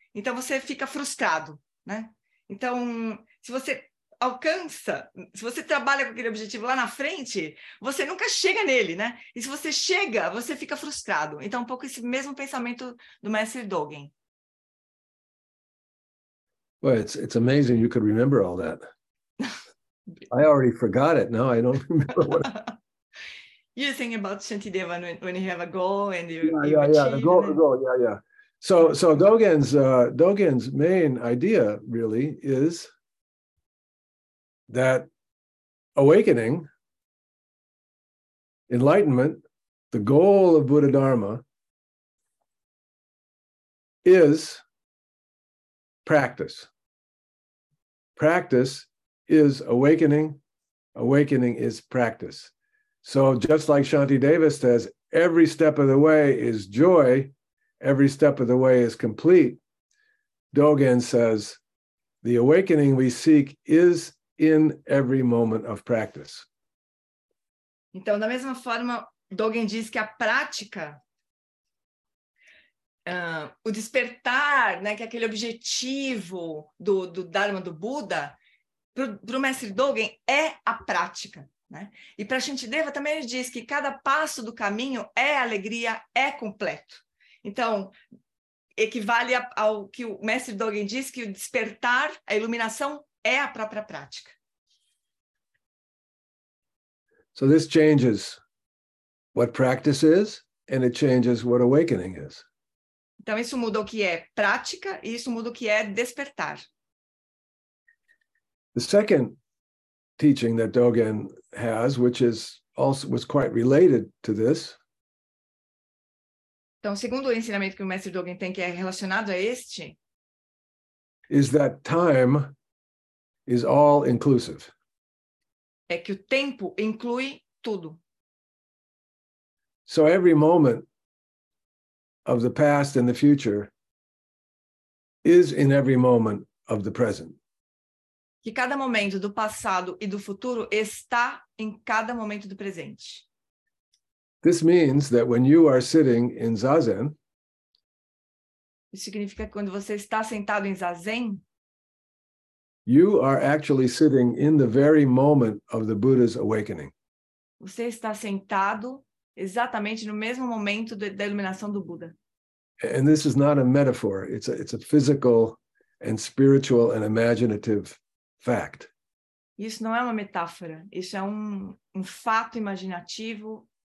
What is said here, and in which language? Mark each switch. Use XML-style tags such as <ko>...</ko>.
<pt>Então você fica frustrado, né? Então, se você alcança, se você trabalha com aquele objetivo lá na frente, você nunca chega nele, né? E se você chega, você fica frustrado. Então, um pouco esse mesmo pensamento do mestre Dogen.</pt> <en>Well, it's amazing you could remember all that. I already forgot it. Now I don't remember what. You're thinking about Shantideva when you have a goal and you Yeah, the goal. So Dogen's main idea really is that awakening, enlightenment, the goal of Buddha Dharma is practice. Practice is awakening. Awakening is practice. So just like Shantideva says, every step of the way is joy. Every step of the way is complete. Dogen says, the awakening we seek is in every moment of practice.</en> <pt>Então, da mesma forma, Dogen diz que a prática, o despertar, né, que é aquele objetivo do Dharma do Buda, para o mestre Dogen, é a prática. Né? E para Shantideva também ele diz que cada passo do caminho é alegria, é completo. Então, equivale ao que o mestre Dogen diz, que o despertar, a iluminação, é a própria prática.</pt> <en>So this changes what practice is, and it changes what awakening is.</en> <pt>Então, isso muda o que é prática, e isso muda o que é despertar.</pt> <en>The second teaching that Dogen has, which is also was quite related to this,</en> <pt>então, segundo o ensinamento que o mestre Dogen tem, que é relacionado a este,</pt> <en>is that time is all inclusive.</en> <pt>É que o tempo inclui tudo.</pt> <en>So every moment of the past and the future is in every moment of the present.</en> <pt>Que cada momento do passado e do futuro está em cada momento do presente.</pt> <en>This means that when you are sitting in zazen,</en> <pt>isso significa que quando você está sentado em zazen,</pt> <en>you are actually sitting in the very moment of the Buddha's awakening.</en> <pt>Você está sentado exatamente no mesmo momento da iluminação do Buddha.</pt> <en>And this is not a metaphor. It's a physical and spiritual and imaginative fact.</en> <pt>Isso não é uma metáfora. Isso é um fato imaginativo.</pt>